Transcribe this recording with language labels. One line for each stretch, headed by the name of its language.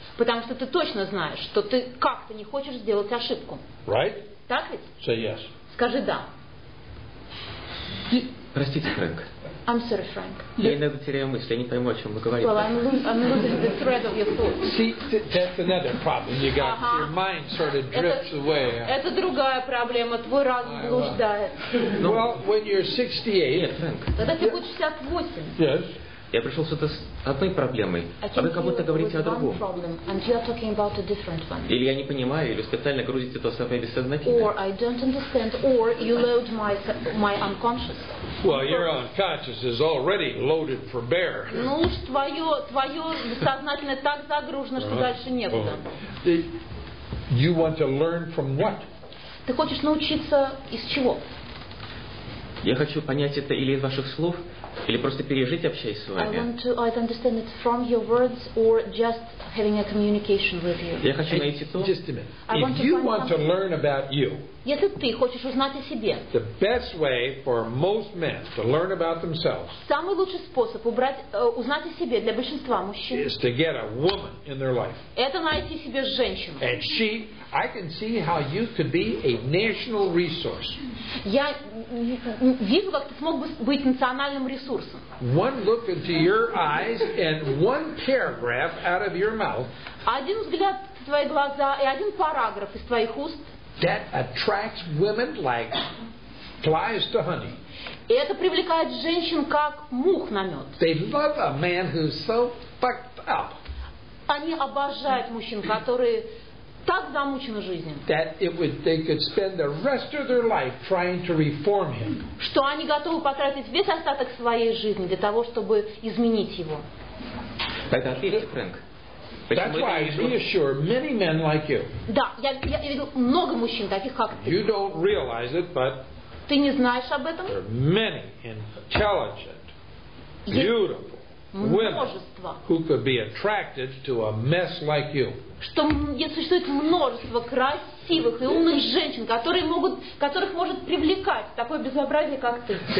Russian: Потому что ты точно знаешь, что ты как-то не хочешь сделать ошибку.
English: Right?
Russian: Так ведь?
English: Say yes.
Russian: Скажи да. Простите, Фрэнк.
English: I'm sorry, Frank.
Russian: Я иногда теряю мысли, я не пойму, о чем вы говорите.
English: Well, I'm losing the thread of your thoughts. See, that's another problem you got. Uh-huh. Your mind sort of drifts away.
Russian: Это другая проблема, твой разум блуждает.
English: Well, when you're 68...
Russian: Нет, Фрэнк. Тогда тебе будет 68.
English: Yes.
Russian: Я пришел с одной проблемой, а вы как будто говорите о другом.
English: Problem, and you are talking about a different one.
Russian: Или я не понимаю, или специально грузите то самое бессознательное.
English: Or I don't understand, or you load my unconscious. Well, your unconscious is already loaded for bear.
Russian: Ну уж твое бессознательное так загружено, что дальше некуда.
English: You want to learn from what?
Russian: Ты хочешь научиться из чего? Я хочу понять это или из ваших слов, или просто пережить, общаясь с вами.
English: I want to either understand it from your words or just having a communication with you.
Russian: Я хочу найти то.
English: Just a minute. If you want to learn about you.
Russian: Если ты хочешь узнать о себе.
English: The best way for most men to learn about themselves.
Russian: Самый лучший способ узнать о себе для большинства мужчин.
English: Is to get a woman in their life.
Russian: Это найти себе женщину.
English: And she, I can see how you could be a national resource.
Russian: Я вижу, как ты смог быть национальным ресурсом.
English: One look into your eyes and one paragraph out of your mouth.
Russian: Один взгляд в твои глаза и один параграф из твоих уст.
English: That attracts women like flies to honey.
Russian: Это привлекает женщин как мух на мед.
English: They love a man who's so fucked up.
Russian: Они обожают мужчин, которые так замучены жизнью.
English: That they could spend the rest of their life trying to reform him.
Russian: Что они готовы потратить весь остаток своей жизни для того, чтобы изменить его. Тогда ответьте, Фрэнк.
English: That's why I reassure many men like you.
Russian: Да, я видел много мужчин таких, как ты.
English: You don't realize it, but
Russian: ты не знаешь об этом?
English: There are many intelligent, beautiful
Russian: множество
English: women who could be attracted to a mess like you.
Russian: Что существует множество красивых и умных женщин, которых может привлекать такое безобразие, как ты.